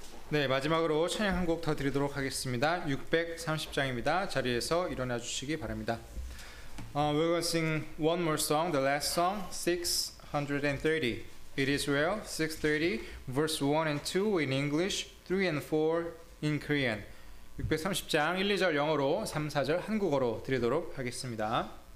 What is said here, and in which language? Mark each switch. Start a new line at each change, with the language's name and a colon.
Korean: 네, 마지막으로 찬양 한 곡 더 드리도록 하겠습니다. 630장입니다. 자리에서 일어나 주시기 바랍니다.
English: We're going to sing one more song, the last song, 630. It is well, 630, verse 1 and 2 in English, 3 and 4 in Korean.
Korean: 630장 1, 2절 영어로, 3, 4절 한국어로 드리도록 하겠습니다.